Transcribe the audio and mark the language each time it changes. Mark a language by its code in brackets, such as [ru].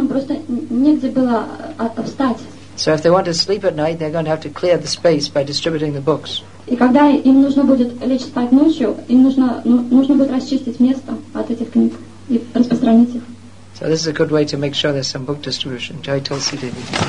[en] So if they want to sleep at night, they're going to have to clear the space by distributing the books. [ru] И когда им нужно будет лечь спать ночью, им нужно будет расчистить место от этих книг и распространить их. [en] So this is a good way to make sure there's some book distribution. Jai Tulsi Devi.